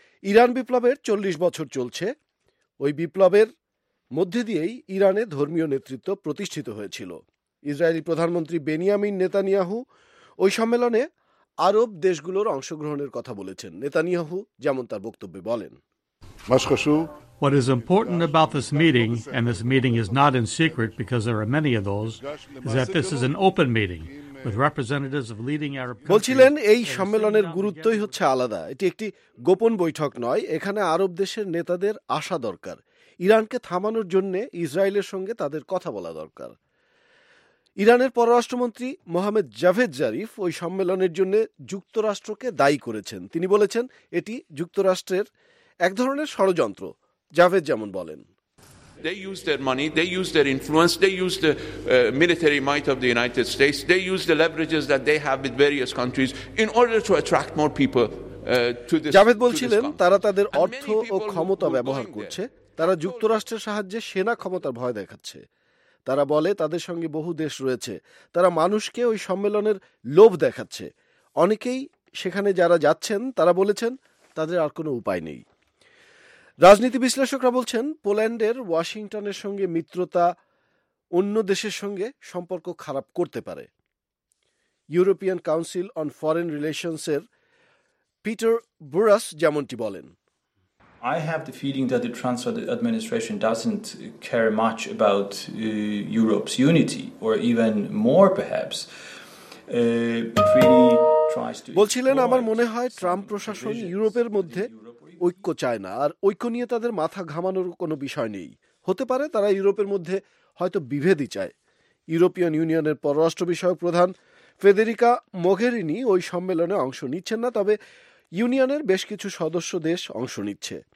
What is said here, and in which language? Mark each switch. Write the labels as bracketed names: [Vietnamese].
[Bangla] Iran বিপ্লবের 40 বছর চলছে। ওই বিপ্লবের মধ্যে দিয়েই ইরানে ধর্মীয় নেতৃত্ব প্রতিষ্ঠিত হয়েছিল। ইসরায়েলি প্রধানমন্ত্রী বেনিয়ামিন নেতানিয়াহু ওই সম্মেলনে আরব দেশগুলোর অংশগ্রহণের কথা বলেছেন। নেতানিয়াহু যেমন তার বক্তব্যে বলেন, [English] What is important about this meeting, and this meeting is not in secret because there are many of those, is that this is an open meeting with representatives of leading Arab countries. [Bangla] বলছিলেন, এই সম্মেলনের গুরুত্বই হচ্ছে আলাদা। এটি একটি গোপন বৈঠক নয়, এখানে আরব দেশের নেতাদের আসা দরকার। ইরানকে থামানোর জন্য ইসরায়েলের সঙ্গে তাদের কথা বলা দরকার। ইরানের পররাষ্ট্রমন্ত্রী মোহাম্মদ জাভেদ জারিফ ওই সম্মেলনের জন্য যুক্তরাষ্ট্রকে দায়ী করেছেন। তিনি বলেছেন, এটি যুক্তরাষ্ট্রের এক ধরনের ষড়যন্ত্র। জাভেদ যেমন বলেন, [English] They use their money, they use their influence, they use the military might of the United States, they use the leverages that they have with various countries in order to attract more people to this. [Bangla] Javed বলছিলেন, তারা তাদের অর্থ ও ক্ষমতা ব্যবহার করছে, তারা যুক্তরাষ্ট্রের সাহায্যে সেনা ক্ষমতার ভয় দেখাচ্ছে। তারা বলে তাদের সঙ্গে বহু দেশ রয়েছে, তারা মানুষকে ওই সম্মেলনের লোভ দেখাচ্ছে। অনেকেই সেখানে যারা যাচ্ছেন তারা বলেছেন তাদের আর কোনো উপায় নেই। রাজনীতি বিশ্লেষকরা বলছেন, পোল্যান্ডের ওয়াশিংটনের সঙ্গে মিত্রতা অন্য দেশের সঙ্গে সম্পর্ক খারাপ করতে পারে। European council on foreign রিলেশনসের Peter বুরাস যেমনটি বলেন, [English] I have the feeling that the Trump administration doesn't care much about Europe's unity or even more perhaps [Bangla] বলছিলেন, আমার মনে হয় ট্রাম্প প্রশাসন ইউরোপের মধ্যে ঐক্য চায় না, আর ঐক্য নিয়ে তাদের মাথা ঘামানোর কোনো বিষয় নেই। হতে পারে তারা ইউরোপের মধ্যে হয়তো বিভেদই চায়। ইউরোপিয়ান ইউনিয়নের পররাষ্ট্র বিষয়ক প্রধান ফেদেরিকা মোঘেরিনি ওই সম্মেলনে অংশ নিচ্ছেন না, তবে ইউনিয়নের বেশ কিছু সদস্য দেশ অংশ নিচ্ছে।